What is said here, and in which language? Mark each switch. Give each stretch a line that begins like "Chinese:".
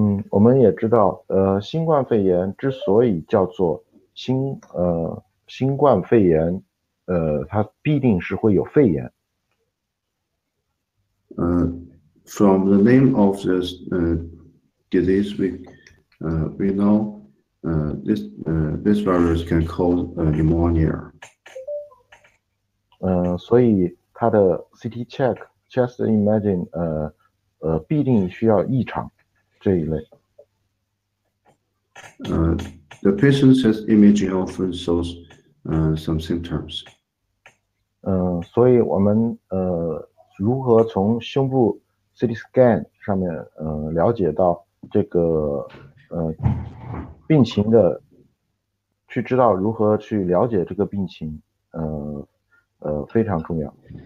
Chinese: 我们也知道，新冠肺炎之所以叫做新冠肺炎，它必定是会有肺炎。
English: From the name of this disease, we know this virus can cause pneumonia.
Chinese: 所以它的
English: CT check, chest imaging,
Chinese: 必定需要异常这一类。
English: The patient's chest imaging often shows some symptoms.
Chinese: 所以我们如何从胸部 CT scan 上面了解到这个病情的，去知道如何去了解这个病情，非常重要。